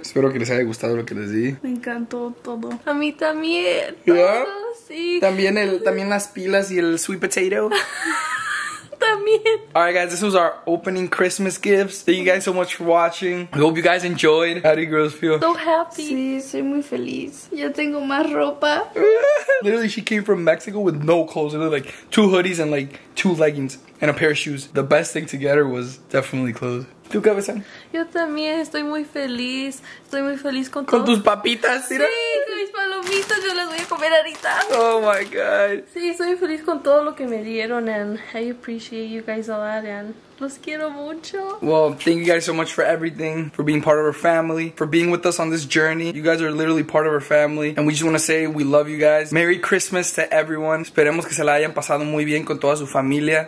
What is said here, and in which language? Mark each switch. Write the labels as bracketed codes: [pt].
[es] Espero que les haya gustado lo que les di. Me encantó todo. A mí también. ¿Ya? Todo, sí. ¿También, también las pilas y el [en] sweet potato? [es] También. [en] Alright guys, this was our opening Christmas gifts. Thank you guys so much for watching. I hope you guys enjoyed. How do you girls feel? So happy. [es] Sí, soy muy feliz. Ya tengo más ropa. [en] Literally, she came from Mexico with no clothes. Literally, like, two hoodies and, like, two leggings and a pair of shoes. The best thing to get her was definitely clothes. [es] ¿Tú qué ves? Yo también estoy muy feliz. Estoy muy feliz con todo. ¿Con tus papitas? Mira. Sí, con mis palomitas. Yo las voy a comer ahorita. [en] Oh my God. [es] Sí, estoy feliz con todo lo que me dieron. [en] And I appreciate you guys a lot. And [es] los quiero mucho. [en] Well, thank you guys so much for everything. For being part of our family. For being with us on this journey. You guys are literally part of our family. And we just want to say we love you guys. Merry Christmas to everyone. [es] Esperemos que se la hayan pasado muy bien con toda su familia.